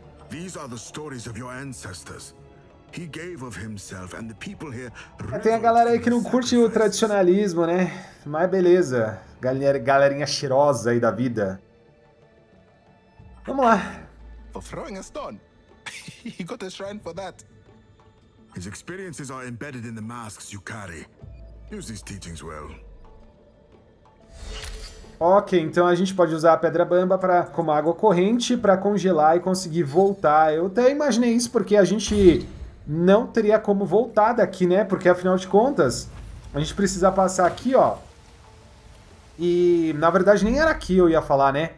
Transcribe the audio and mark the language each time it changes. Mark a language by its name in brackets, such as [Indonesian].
[English] These are the stories of your ancestors. He gave of himself, and the people here. [Portuguese] Tem a galera aí que não curte o tradicionalismo, né? Mas beleza. Galerinha cheirosa aí da vida. Vamos lá. [English] For throwing a stone. He got a shrine for that. His experiences are embedded in the masks you carry. Use these teachings well. [Portuguese] Ok, então a gente pode usar a Pedra Bamba pra, como água corrente para congelar e conseguir voltar. Eu até imaginei isso porque a gente não teria como voltar daqui, né? Porque, afinal de contas, a gente precisa passar aqui, ó. E, na verdade, nem era aqui eu ia falar, né?